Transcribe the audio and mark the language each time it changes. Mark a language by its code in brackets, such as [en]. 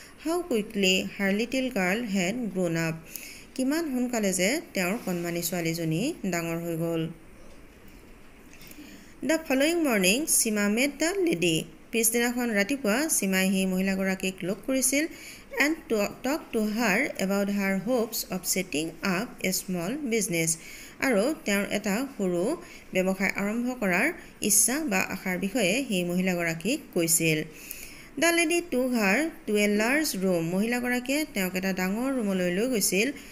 [en] how quickly her little girl had grown up, [as] কিমান সোনকালে যে তেওঁৰ কণমানি ছোৱালীজনী ডাঙৰ হৈ গ'ল। [en] the following morning Seema met the lady, [as] পিছদিনাখন ৰাতিপুৱা সীমাই সেই মহিলাগৰাকীক লগ কৰিছিল। [en] And talk to her about her hopes of setting up a small business. [as] আৰু তেওঁৰ এটা সৰু ব্যৱসায় আৰম্ভ কৰাৰ ইচ্ছা বা আশাৰ বিষয়ে সেই মহিলাগৰাকীক কৈছিল। [en] the lady took her to a large room, [as] মহিলাগৰাকীয়ে তেওঁক এটা ডাঙৰ ৰুমলৈ লৈ গৈছিল।